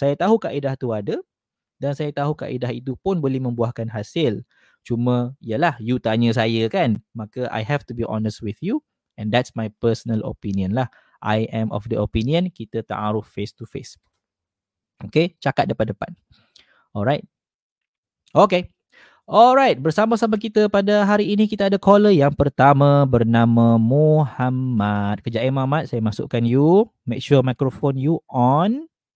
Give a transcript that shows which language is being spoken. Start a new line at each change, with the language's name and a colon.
Malay: Saya tahu kaedah tu ada dan saya tahu kaedah itu pun boleh membuahkan hasil. Cuma yalah, you tanya saya kan, maka
English: I have to be honest with you, and that's my personal opinion lah. I am of the opinion
Malay: kita ta'aruf
English: face to face.
Malay: Okay, cakap depan-depan. Alright. Okay. Alright, bersama-sama kita pada hari ini kita ada caller yang pertama bernama Muhammad. Kejap eh Muhammad, saya masukkan you.
English: Make sure microphone you on.